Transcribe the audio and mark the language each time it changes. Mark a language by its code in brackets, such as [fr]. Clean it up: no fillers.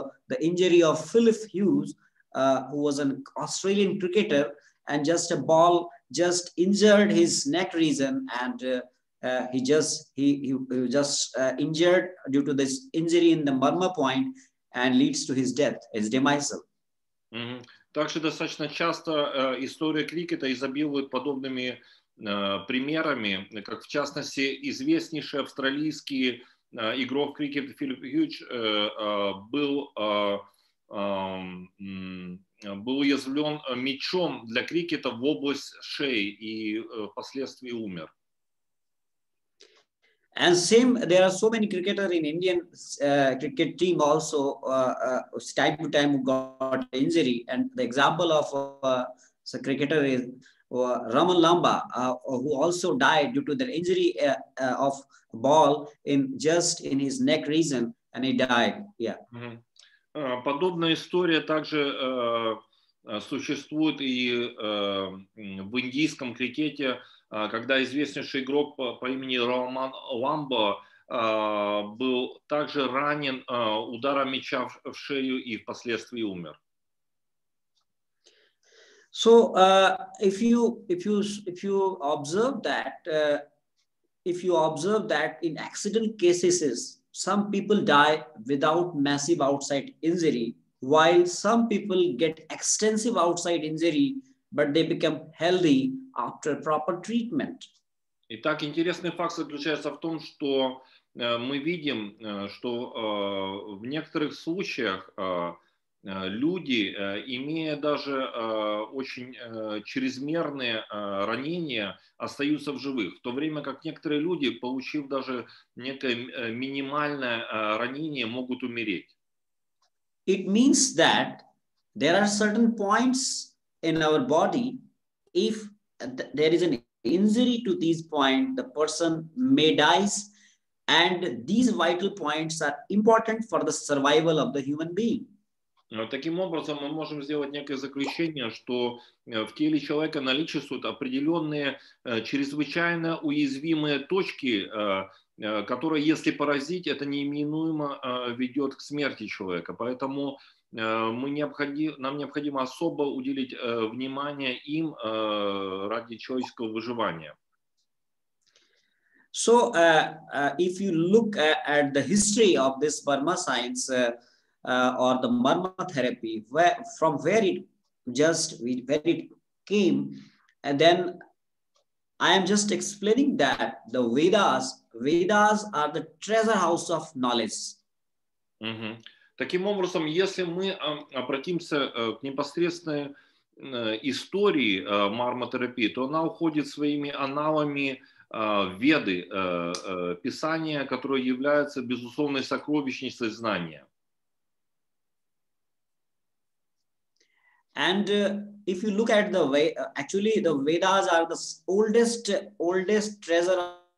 [en] the injury of Philip Hughes, who was an Australian cricketer, and just a ball just injured his neck region, and he injured due to this injury in the Marma point, and leads to his death, his demise. Mm-hmm. [ru] Также достаточно часто история крикета изобилует подобными примерами, как в частности известнейший австралийский игрок в крикет Филип Хьюч был уязвлен мячом для крикета в область шеи и впоследствии умер. [en] And same, there are so many cricketers in Indian cricket team also time to time got injury. And the example of a cricketer is Raman Lamba, who also died due to the injury of ball in his neck region, and he died. Yeah. Mm-hmm. [ru] Подобная история также существует и в индийском крикете. Когда известнейший игрок по имени Роман Ламбо был также ранен ударом мяча в шею и впоследствии умер. [en] So if you observe that in accident cases some people die without massive outside injury, while some people get extensive outside injury, but they become healthy after proper treatment. [ru] Итак, интересный факт заключается в том, что мы видим, что в некоторых случаях люди, имея даже очень чрезмерные ранения, остаются в живых, в то время как некоторые люди, получив даже некое минимальное ранение, могут умереть. [en] It means that there are certain points in our body, if there is an injury to these points, the person may die, and these vital points are important for the survival of the human being. [ru] Таким образом, мы можем сделать некое заключение, что в теле человека наличествуют определенные чрезвычайно уязвимые точки, которые, если поразить, это неминуемо ведет к смерти человека. Поэтому нам необходимо особо уделить внимание им ради человеческого выживания. [en] So, if you look at the history of this Marma science or the Marma therapy, from where it came, and then I am just explaining that the Vedas are the treasure house of knowledge. Mm-hmm. [ru] Таким образом, если мы обратимся к непосредственной истории марма-терапии, то она уходит своими аналами веды, писания, которое является безусловной сокровищницей знания. [en] And if you look at the way, actually the Vedas are the oldest treasure.